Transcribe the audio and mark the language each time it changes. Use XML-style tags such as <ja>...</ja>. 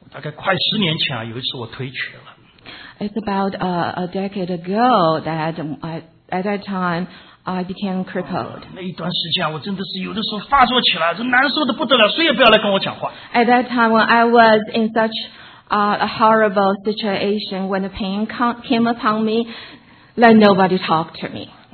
<zh>大概快十年前啊，有一次我腿瘸了。</zh> <en>It's about a decade ago that at that time I became crippled.</en> <zh>那一段时间啊，我真的是有的时候发作起来，这难受的不得了，谁也不要来跟我讲话。</zh> <en>At that time when I was in such a horrible situation, when the pain came upon me, let nobody talk to me.</en>